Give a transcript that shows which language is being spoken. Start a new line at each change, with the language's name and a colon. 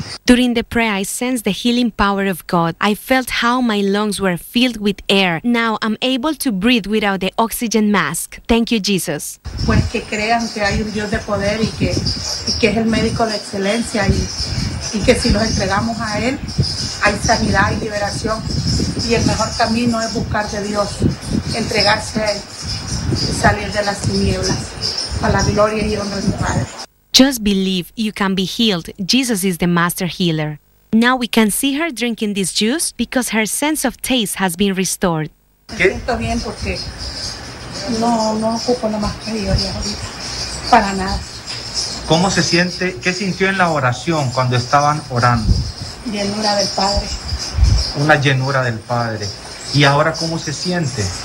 English: During the prayer, I sensed the healing power of God. I felt how my lungs were filled with air. Now I'm able to breathe without the oxygen mask. Thank you, Jesus.
Spanish: Pues que crean que hay un Dios de poder y que es el médico de excelencia y que si nos entregamos a él, hay sanidad y liberación. Y el mejor camino es buscar de Dios, entregarse a él y salir de las tinieblas para la gloria y honra de mi Padre.
English: Just believe, you can be healed. Jesus is the master healer. Now we can see her drinking this juice because her sense of taste has been restored.
Spanish: ¿Qué? Me siento bien porque no ocupo la mascarilla para nada. ¿Cómo se siente? ¿Qué sintió en la oración cuando estaban orando? Llenura del Padre. Una llenura del Padre. ¿Y ahora cómo se siente?